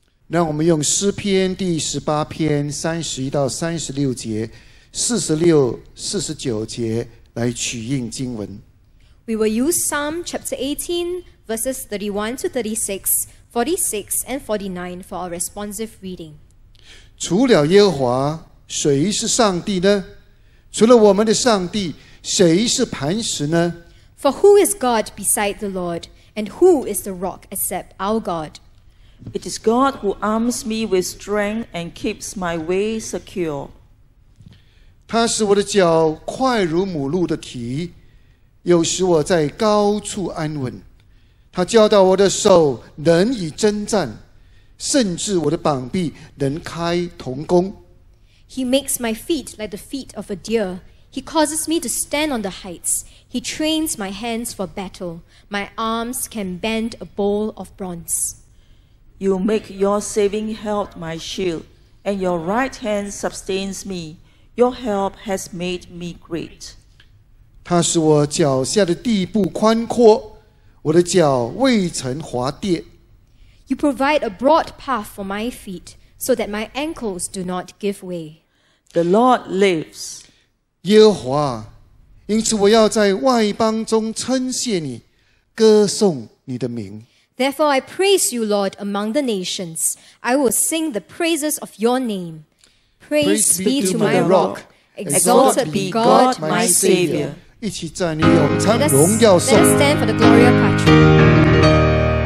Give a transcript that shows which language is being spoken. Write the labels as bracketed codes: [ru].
[zh] 让我们用诗篇第十八篇三十一到三十六节、四十六、四十九节来取应经文。 [en] We will use Psalm chapter 18, verses 31 to 36, 46 and 49 for our responsive reading. 除了耶和华谁是上帝呢？除了我们的上帝，谁是磐石呢？ For who is God beside the Lord? And who is the rock except our God? It is God who arms me with strength and keeps my way secure. [zh] 他使我的脚快如母鹿的蹄，又使我在高处安稳。他教导我的手能以征战，甚至我的膀臂能开铜弓。 [en] He makes my feet like the feet of a deer. He causes me to stand on the heights. He trains my hands for battle. My arms can bend a bow of bronze. You make your saving help my shield, and your right hand sustains me. Your help has made me great. [zh] 它使我脚下的地步宽阔，我的脚未曾滑跌。 [en] You provide a broad path for my feet. So that my ankles do not give way. The Lord lives. [zh] 耶和华，因此我要在外邦中称谢你，歌颂你的名。 [en] Therefore I praise you, Lord, among the nations. I will sing the praises of your name. Praise be to my rock. Exalted be God, my Savior. [zh] 一起赞你咏唱荣耀颂。 [en] Let us stand for the glory of our truth.